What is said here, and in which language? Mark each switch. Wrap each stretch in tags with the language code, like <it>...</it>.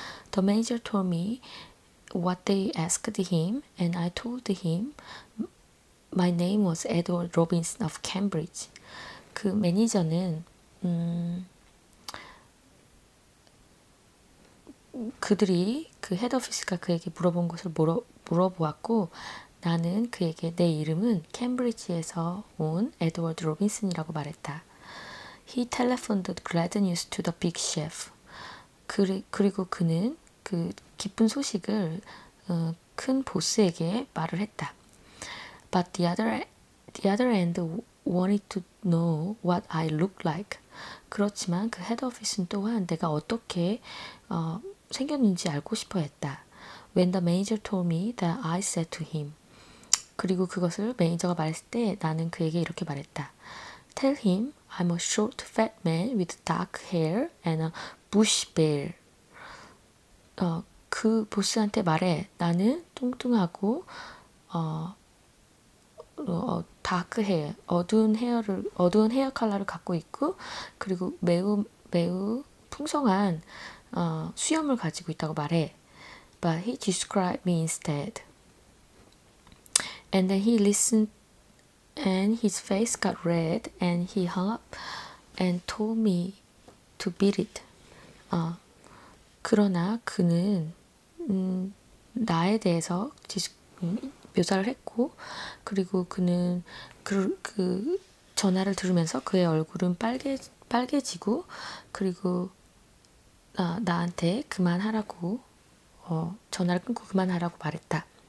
<en>The manager told me what they asked him and I told him my name was Edward Robinson of Cambridge.</en> <ko>그 매니저는 그들이 그 헤드 오피스가 그에게 물어본 것을 물어보았고, 나는 그에게 내 이름은 캠브리지에서 온 에드워드 로빈슨이라고 말했다.</ko> <en>He telephoned the glad news to the big chef.</en> <ko>그리고 그는 그 기쁜 소식을 큰 보스에게 말을 했다.</ko> <en>But the other end wanted to know what I look like.</en> <ko>그렇지만 그 헤드 오피스는 또한 내가 어떻게 생겼는지 알고 싶어 했다.</ko> <en>When the manager told me that I said to him.</en> <ko>그리고 그것을 매니저가 말했을 때 나는 그에게 이렇게 말했다.</ko> <en>Tell him I'm a short fat man with dark hair and a bush bill.</en> <ko>그 보스한테 말해. 나는 뚱뚱하고 다크 헤어, 어두운 헤어 컬러를 갖고 있고, 그리고 매우 매우 풍성한 수염을 가지고 있다고 말해.</ko> <en>But he described me instead. And then he listened, and his face got red, and he hung up and told me to beat it.</en> <ko>그러나 그는 나에 대해서 묘사를 했고, 그리고 그는 그 전화를 들으면서 그의 얼굴은 빨개지고, 그리고 나한테 그만하라고, 전화를 끊고 그만하라고 말했다.</ko>